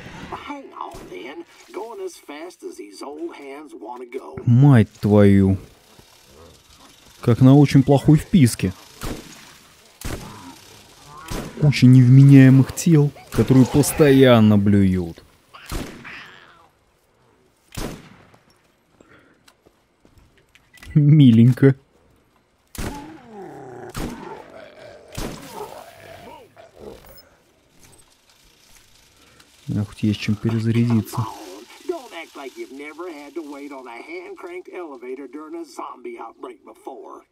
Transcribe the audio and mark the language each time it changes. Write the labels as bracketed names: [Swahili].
[English] Hang on, then. Going as fast as these old hands want to go. [Russian] Мать твою! Как на очень плохой вписке. Куча невменяемых тел, которые постоянно блюют. Миленько. А хоть есть чем перезарядиться. [English] You've never had to wait on a hand-cranked elevator during a zombie outbreak before.